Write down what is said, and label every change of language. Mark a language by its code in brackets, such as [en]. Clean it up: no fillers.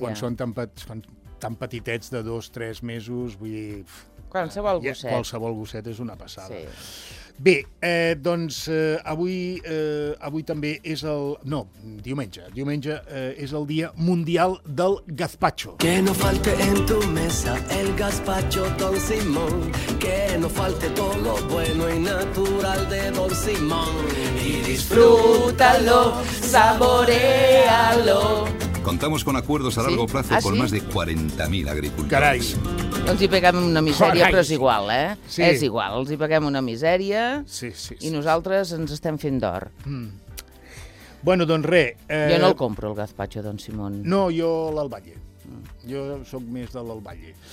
[ca] Quan són tan petitets de 2-3 mesos, vull dir... Qualsevol gosset. Qualsevol gosset és una passada. Sí. Bé, doncs avui també és el... No, diumenge. Diumenge és el Dia Mundial del Gazpacho. [es] Que no falte en tu mesa el gazpacho, Don Simón. Que no falte todo lo bueno y natural de Don Simón. Y disfrútalo, saborealo. Contamos con acuerdos a largo plazo con más de 40.000 agricultores. [ca] Carai. Doncs hi paguem una misèria, però és igual, eh? Sí. És igual, els hi paguem una misèria i nosaltres ens estem fent d'or. Bueno, doncs re... Jo no el compro, el gazpacho, Don Simón. No, jo l'Alballe. Jo sóc més de l'Alballe.